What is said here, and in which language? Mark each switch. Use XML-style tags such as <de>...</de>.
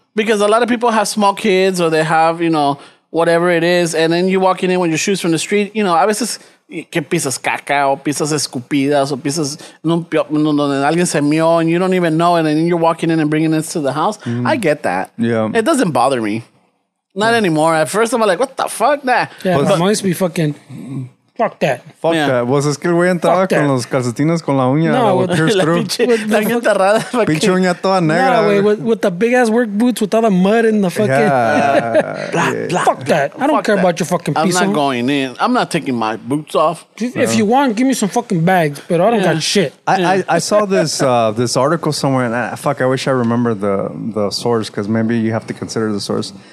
<en>Because a lot of people have small kids or they have, you know, whatever it is, and then you walking in with your shoes from the street, you know,</en> <es>a veces que pisas caca o pisas escupidas o pisas alguien se mió</es> <en>and you don't even know, and then you're walking in and bringing this to the house. Mm-hmm. I get that. Yeah. It doesn't bother me. Not anymore. At first, I'm like, what the fuck? Nah. Yeah, but I'm always be fucking, fuck that. Fuck that.</en> <es>Pues es que el güey entraba con los calcetines con la uña.</es> <en>No, with pierced through.</en> <es>Pinche uña toda negra.</es> <en>Nah, with the big ass work boots with all the mud in the fucking. Yeah. Fuck that. I don't care about your fucking piece. I'm not going in. I'm not taking my boots off. If you want, give me some fucking bags, but I don't got shit. I saw this this article somewhere, and I wish I remember the source, because maybe you have to consider the source.</en>